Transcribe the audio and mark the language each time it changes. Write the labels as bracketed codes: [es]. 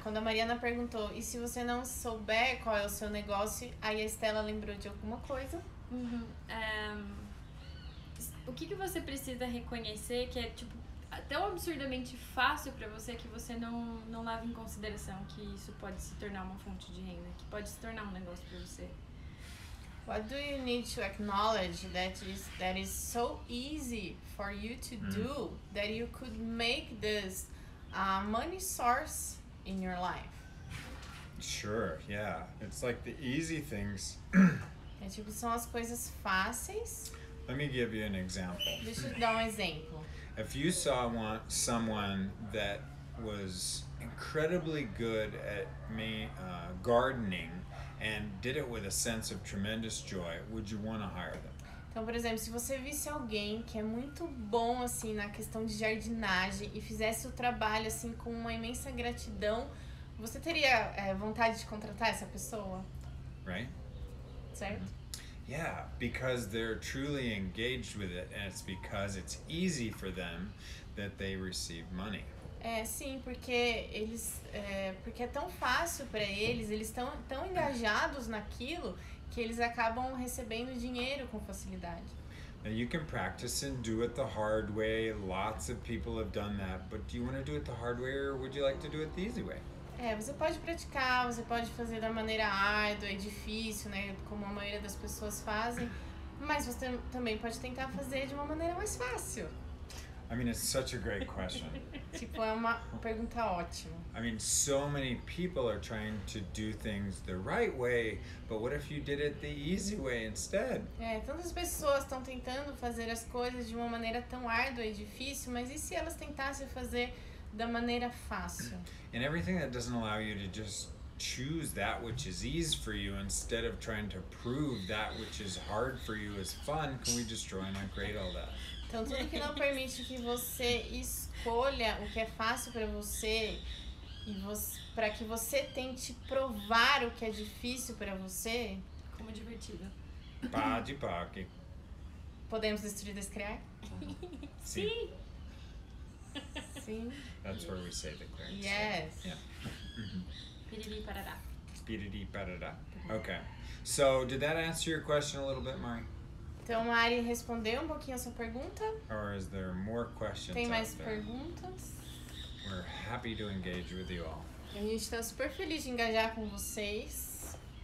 [pt] Quando a Mariana perguntou, e se você não souber qual é o seu negócio? Aí a Estela lembrou de alguma coisa. Uh-huh. o que que você precisa reconhecer que é, tipo, tão absurdamente fácil pra você que você não leva em consideração que isso pode se tornar uma fonte de renda, que pode se tornar um negócio pra você? [en] What do you need to acknowledge that is so easy for you to do that you could make this money source in your life? Sure, yeah. It's like the easy things. [pt] É tipo, são as coisas fáceis. [en] Let me give you an example. [pt] Deixa eu dar um exemplo. [en] If you saw someone that was incredibly good at gardening and did it with a sense of tremendous joy, would you want to hire them? [pt] Então, por exemplo, se você visse alguém que é muito bom assim na questão de jardinagem e fizesse o trabalho assim com uma imensa gratidão, você teria vontade de contratar essa pessoa? [en] Right? [pt] Certo? [en] Yeah, because they're truly engaged with it, and it's because it's easy for them that they receive money. [pt] É, sim, porque eles, porque é tão fácil para eles, eles estão tão engajados naquilo que eles acabam recebendo dinheiro com facilidade. [en] Now you can practice and do it the hard way. Lots of people have done that, but do you want to do it the hard way, or would you like to do it the easy way? [pt] É, você pode praticar, você pode fazer da maneira árdua, difícil, né, como a maioria das pessoas fazem, mas você também pode tentar fazer de uma maneira mais fácil. [en] I mean, it's such a great question. [pt] Tipo, é uma pergunta ótima. [en] I mean, so many people are trying to do things the right way, but what if you did it the easy way instead? [pt] É, tantas pessoas estão tentando fazer as coisas de uma maneira tão árdua e difícil, mas e se elas tentassem fazer da maneira fácil? [en] And everything that doesn't allow you to just choose that which is easy for you instead of trying to prove that which is hard for you is fun, can we destroy and upgrade all that? [pt] Então, tudo que não permite que você escolha o que é fácil para você e para que você tente provar o que é difícil para você, como divertido. Pá de parque. Podemos destruir e descriar? Sim. Sim. Sim. [en] That's where we say the clearance. Yes. Piriri parará. Piriri parará. Okay. So, did that answer your question a little bit, Mari? [pt] Então, Mari respondeu um pouquinho a sua pergunta. [en] Or is there more questions? [pt] Tem mais perguntas? [en] We're happy to engage with you all. [pt] A gente está super feliz de engajar com vocês.